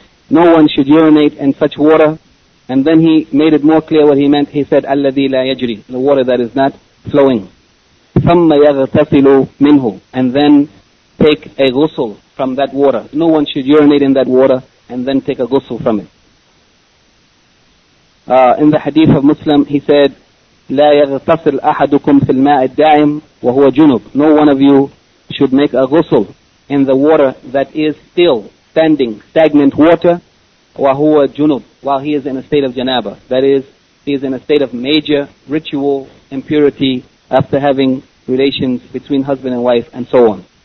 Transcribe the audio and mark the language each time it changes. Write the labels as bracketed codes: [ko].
[en] No one should urinate in such water. And then he made it more clear what he meant. He said, "Alladhi la yajri," the water that is not flowing. [ar] ثم يغتسل منه, [en] and then take a ghusl from that water. No one should urinate in that water and then take a ghusl from it. In the hadith of Muslim, he said, [ar] "لا يغتسل أحدكم في الماء الدائم وهو جنوب." [en] No one of you should make a ghusl in the water that is still standing, stagnant water. [ar] وَهُوَ جُنُوب, [en] while he is in a state of janaba, that is, he is in a state of major ritual impurity after having relations between husband and wife and so on.